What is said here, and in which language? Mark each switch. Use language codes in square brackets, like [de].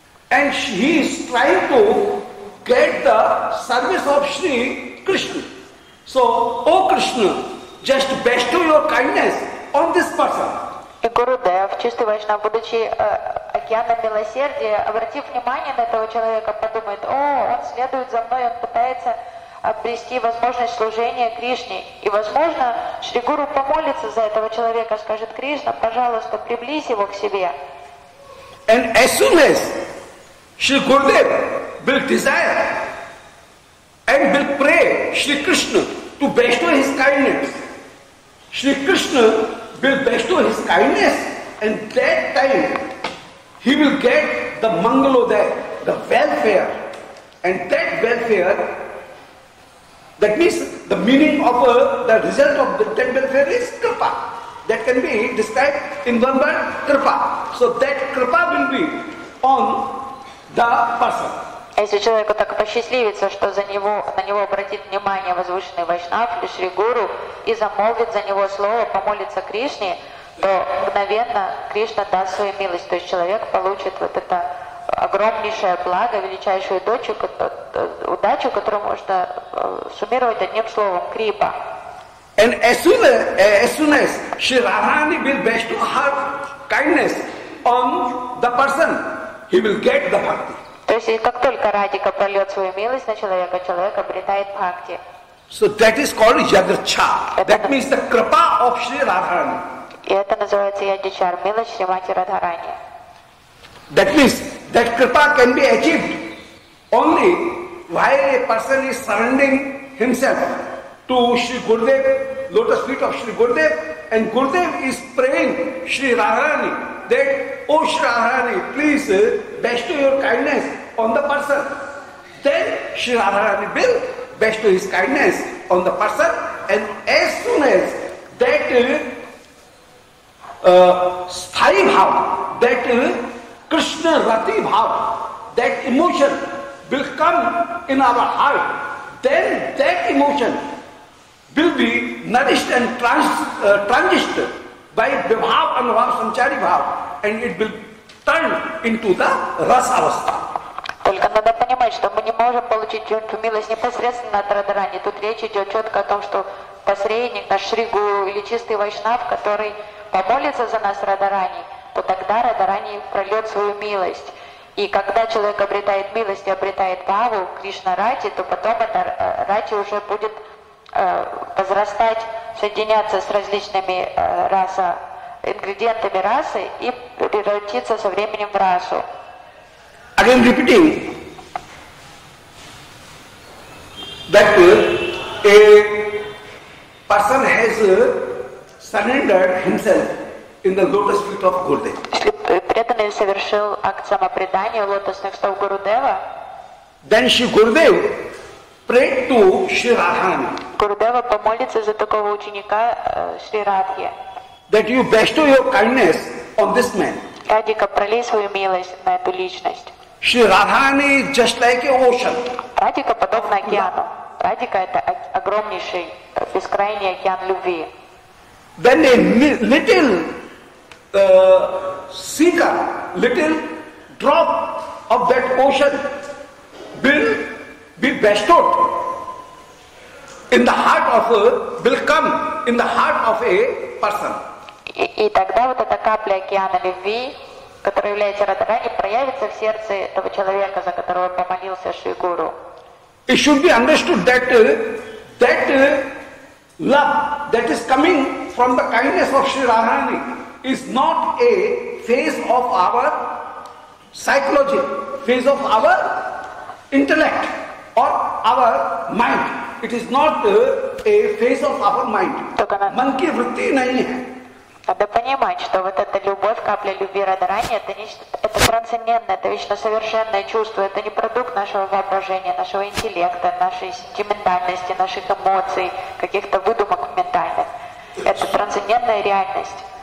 [en] And he is trying to get the service of Shri Krishna. So, O Krishna, just bestow your kindness on this person. [ru] И Гурудев, чистый вайшнав, будучи океаном милосердия, обратив внимание на этого человека, подумает, о, он следует за мной, он пытается обрести возможность служения Кришне. И, возможно, Шри Гуру помолится за этого человека, скажет, Кришна, пожалуйста, приблизь его к себе. [en] And as soon as Shri Gurudev will desire and will pray Shri Krishna to bestow his kindness. Shri Krishna will bestow his kindness and that time he will get the mangalodaya, the welfare. And that welfare, that means the meaning of the result of that welfare is kripa. That can be described in one word, kripa. So that kripa will be on the [ru] person. Если человеку так посчастливится, что на него обратит внимание возвышенный вайшнав или Шри Гуру и замолвит за него слово, помолится Кришне, то мгновенно Кришна даст свою милость. То есть человек получит вот это огромнейшее благо, величайшую удачу, которую можно суммировать одним словом крипа. [en] And as soon as Shri Radhani will bestow her kindness on the person, he will get the bhakti. [ru] То есть, как только Радика прольет свою милость на человека, человек обретает бхакти. [en] So that is called yadachha. That means the kripa of Shri Radharani. [ru] И это называется ядичар, милость Шри Мати Радхарани. [en] That means that kripa can be achieved only while a person is surrendering himself to Shri Gurudev, lotus feet of Shri Gurudev, and Gurudev is praying Shri Radharani. That, O Shri Radharani, please bestow your kindness on the person. Then Shri Radharani will bestow his kindness on the person. And as soon as that sthayi bhav, that Krishna rati bhav, that emotion will come in our heart, then that emotion will be nourished and transitioned by vibhav anubhav sanchari bhav. And it will turn into the rasa avastha. [ru] Только надо понимать, что мы не можем получить эту милость непосредственно от Радхарани. Тут речь идет четко о том, что посредник, наш Шри Гуру или чистый вайшнав, который помолится за нас Радхарани, то тогда Радхарани прольет свою милость. И когда человек обретает милость и обретает баву, Кришна Рати, то потом эта Рати уже будет возрастать, соединяться с различными раса, ингредиентами расы и превратиться со временем в расу. [en] Again repeating that a person has surrendered himself in the lotus feet of Gurudeva. [ru] Если преданный совершил акт самопредания в лотосных стопах Гурудева, [en] then Shri Gurudev prayed to Shri Radharani. [ru] Гурудева помолится за такого ученика Шри Радхи. [en] That you bestow your kindness on this man. [ru] Радика, пролей свою милость на эту личность. [en] Shri Radhani is just like an ocean. [ru] Радика подобна океану. Радика это огромнейший, бескрайний океан любви. [en] Then a little seeker, little drop of that ocean will be bestowed in the heart of a, will come in the heart of a person. [ru] И тогда вот эта капля океана любви, который является Радхарани, проявится в сердце этого человека, за которого помолился Шри Гуру. [en] It should be understood that that love that is coming from the kindness of Shri Radharani is not a phase of our psychology, phase of our intellect or our mind. It is not a phase of our mind. [hi] Man ki vritti nahi hai. [ru] Надо понимать, что вот эта любовь, капля любви Радхарани, это нечто, это трансцендентное, это вечно совершенное чувство, это не продукт нашего воображения, нашего интеллекта, нашей сентиментальности, наших эмоций, каких-то выдумок ментальных. Это трансцендентная реальность.